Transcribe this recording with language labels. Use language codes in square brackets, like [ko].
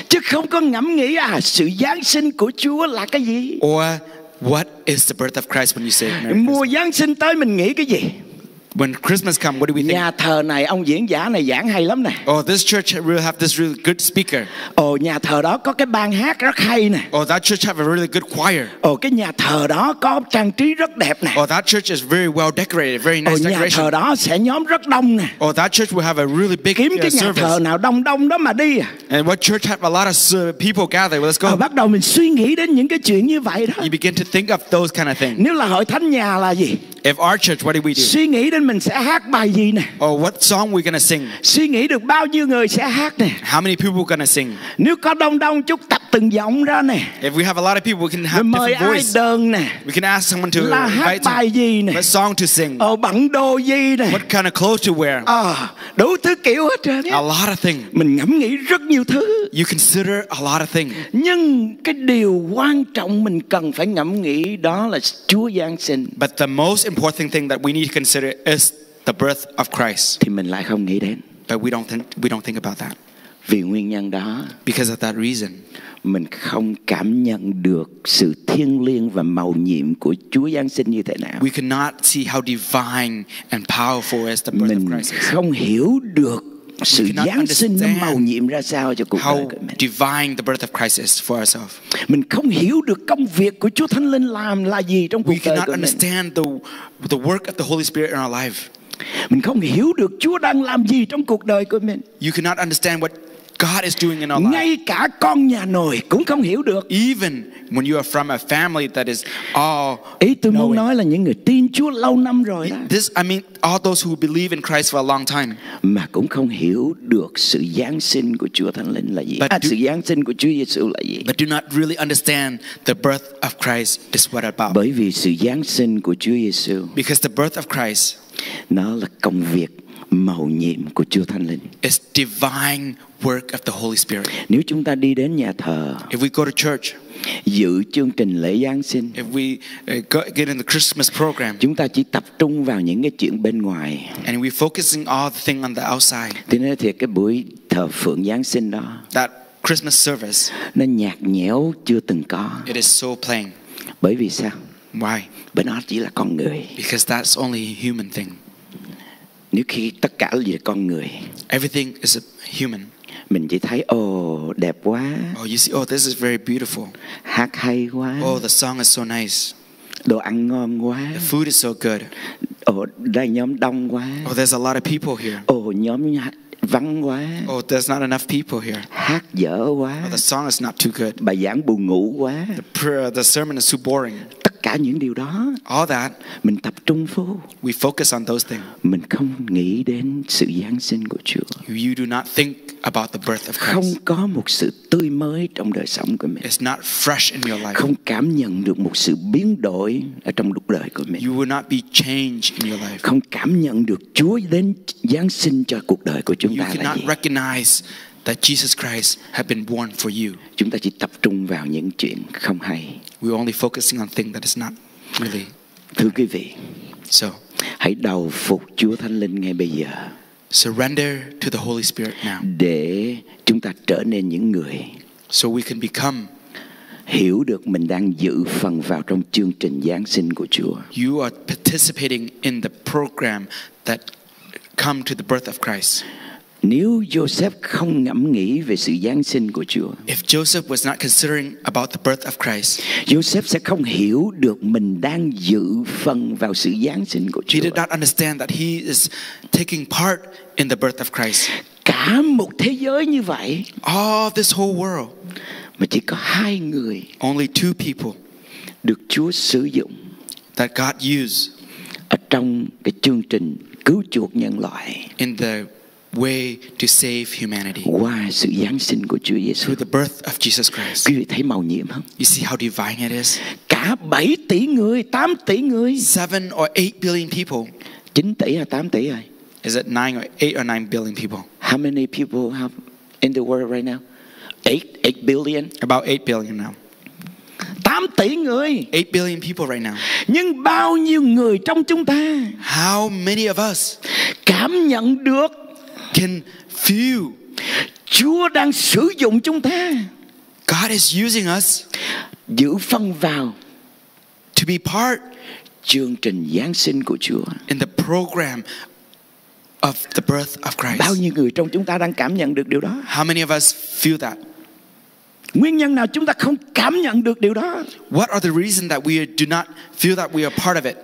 [vi] Chứ không có ngẫm nghĩ sự giáng sinh của Chúa là cái gì. [en] Or what is the birth of Christ when you say Merry [vi] Christmas? Mùa giáng sinh tới mình nghĩ cái gì? [en] When Christmas comes, what do we think? [vi] Nhà thờ này ông diễn giả này giảng hay lắm nè. [en] Oh, this church will have this really good speaker. [vi] Oh, nhà thờ đó có cái ban hát rất hay nè. [en] Oh, that church have a really good choir. [vi] Oh, cái nhà thờ đó có trang trí rất đẹp nè. [en] Oh, that church is very well decorated, very nice [vi] decoration. Oh, nhà thờ đó sẽ nhóm rất đông nè. [en] Oh, that church will have a really big service. [vi] Kiếm cái nhà thờ nào đông đông đó mà đi. [en] And what church have a lot of people gathered? Well, let's go. [vi] Oh, bắt đầu mình suy nghĩ đến những cái chuyện như vậy đó. [en] You begin to think of those kind of things. [vi] Nếu là hội thánh nhà là gì? [en] If our church, what do we do? [vi] Suy nghĩ đến mình sẽ hát bài gì nè. [en] Oh, what song we gonna sing? [vi] Suy nghĩ được bao nhiêu người sẽ hát nè. [en] How many people gonna sing? [vi] Nếu có đông đông chút tập từng giọng ra nè. [en] If we have a lot of people, we can have [vi] mời [en] different voice. [vi] Mời ai đơn nè. [en] We can ask someone to [vi] là [en] invite [vi] hát bài gì nè. [en] What song to sing? [vi] Ồ, bận đồ gì nè. [en] What kind of clothes to wear? [vi] Đủ thứ kiểu hết trơn. [en] A lot of things. [vi] Mình ngẫm nghĩ rất nhiều thứ. [en] You consider a lot of things. [vi] Nhưng cái điều quan trọng mình cần phải ngẫm nghĩ đó là Chúa Giáng sinh. [en] But the most important thing that we need to consider is the birth of Christ. [vi] Thì mình lại không nghĩ đến. [en] But we don't think about that. [vi] Vì nguyên nhân đó, [en] because of that reason, [vi] mình không cảm nhận được sự thiêng liêng và màu nhiệm của Chúa Giáng sinh như thế nào. [en] We cannot see how divine and powerful is the birth [vi] mình [en] of Christ. [vi] Mình không hiểu được sự Giáng sinh nó màu nhiệm ra sao cho cuộc [en] how [vi] đời của mình. [en] Divine the birth of Christ is for ourselves. [vi] Mình không hiểu được công việc của Chúa Thánh Linh làm là gì trong cuộc [en] we [vi] đời của mình. [en] We cannot understand the work of the Holy Spirit in our life. [vi] Mình không hiểu được Chúa đang làm gì trong cuộc đời của mình. [en] You cannot understand what God is doing in our life. [vi] Ngay cả con nhà nội cũng không hiểu được. [en] Even when you are from a family that is all [vi] ý tôi muốn nói là những người tin Chúa lâu năm rồi đó. [en] This, I mean, all those who believe in Christ for a long time. [vi] Mà cũng không hiểu được sự Giáng sinh của Chúa Thánh Linh là gì. Sự Giáng sinh của Chúa Giêsu là gì. [en] But do not really understand the birth of Christ is what about. [vi] Bởi vì sự Giáng sinh của Chúa Giêsu. [en] Because the birth of Christ. [vi] Nó là công việc màu nhiệm của Chúa Thánh Linh. [en] It's divine work of the Holy Spirit. [vi] Nếu chúng ta đi đến nhà thờ, [en] if we go to church, [vi] giữ chương trình lễ Giáng sinh, [en] if we get in the Christmas program, [vi] chúng ta chỉ tập trung vào những cái chuyện bên ngoài, [en] and we focusing all the thing on the outside. [vi] Thì nói thiệt cái buổi thờ phượng Giáng sinh đó, [en] that Christmas service, [vi] nó nhạt nhẽo chưa từng có. [en] It is so plain. [vi] Bởi vì sao? [en] Why? [vi] Bởi nó chỉ là con người. [en] Because that's only a human thing. [vi] Nếu khi tất cả là con người, [en] everything is a human. [vi] Mình chỉ thấy đẹp quá. [en] Oh, you see, this is very beautiful. [vi] Hát hay quá. [en] Oh, the song is so nice. [vi] Đồ ăn ngon quá. [en] The food is so good. [vi] Đây nhóm đông quá. [en] Oh, there's a lot of people here. [vi] Nhóm vắng quá. [en] Oh, there's not enough people here. [vi] Hát dở quá. [en] Oh, the song is not too good. [vi] Bài giảng buồn ngủ quá. [en] The sermon is too boring. [vi] Cả những điều đó, [en] all that, [vi] mình tập trung vô. [en] We focus on those things. [vi] Mình không nghĩ đến sự Giáng sinh của Chúa. [en] You do not think about the birth of Christ. [vi] Không có một sự tươi mới trong đời sống của mình. [en] It's not fresh in your life. [vi] Không cảm nhận được một sự biến đổi ở trong cuộc đời của mình. [en] You will not be changed in your life. [vi] Không cảm nhận được Chúa đến Giáng sinh cho cuộc đời của chúng ta là gì. [en] You cannot recognize that Jesus Christ had been born for you. [vi] Chúng ta chỉ tập trung vào những chuyện không hay. [en] We're only focusing on things that is not really. [vi] Thưa quý vị, [en] so, [vi] hãy đầu phục Chúa Thánh Linh ngay bây giờ. [en] Surrender to the Holy Spirit now. [vi] Để chúng ta trở nên những người [en] so we can become [vi] hiểu được mình đang giữ phần vào trong chương trình Giáng sinh của Chúa. [en] You are participating in the program that come to the birth of Christ. [vi] Nếu Joseph không ngẫm nghĩ về sự Giáng sinh của Chúa, [en] if Joseph was not considering about the birth of Christ, [vi] Joseph sẽ không hiểu được mình đang dự phần vào sự Giáng sinh của Chúa. [en] He did not understand that he is taking part in the birth of Christ. [vi] Cả một thế giới như vậy, [en] all this whole world, [vi] mà chỉ có hai người, [en] only two people, [vi] được Chúa sử dụng, [en] that God used, [vi] ở trong cái chương trình cứu chuộc nhân loại, [en] in the way to save humanity. [vi] Qua sự Giáng sinh của Chúa Giêsu. [en] Through the birth of Jesus Christ. [vi] Quý vị thấy màu nhiệm không? [en] You see how divine it is. [vi] Cả 7 tỷ người, 8 tỷ người. [en] 7 or 8 billion people. [vi] 9 tỷ hay 8 tỷ rồi? [en] Is it 9 or 8 or 9 billion people? How many people have in the world right now? 8 billion. About 8 billion now. [vi] 8 tỷ người. [en] 8 billion people right now. [vi] Nhưng bao nhiêu người trong chúng ta? [en] How many of us? [vi] Cảm nhận được [en] can feel [vi] Chúa đang sử dụng chúng ta. [en] God is using us [vi] giữ phần vào [en] to be part [vi] chương trình Giáng sinh của Chúa. [en] In the program of the birth of Christ. [vi] Bao nhiêu người trong chúng ta đang cảm nhận được điều đó? [en] How many of us feel that? [vi] Nguyên nhân nào chúng ta không cảm nhận được điều đó? [en] What are the reason that we do not feel that we are part of it?